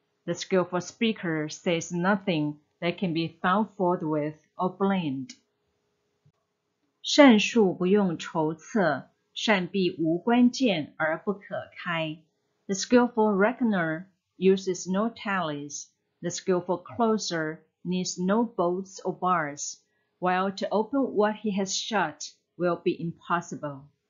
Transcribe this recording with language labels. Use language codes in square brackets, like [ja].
[en] The skillful speaker says nothing that can be found fault with or blamed. [zh] 善术不用筹策, 善闭无关键而不可开. [en] The skillful reckoner uses no tallies, the skillful closer needs no bolts or bars, while to open what he has shut will be impossible.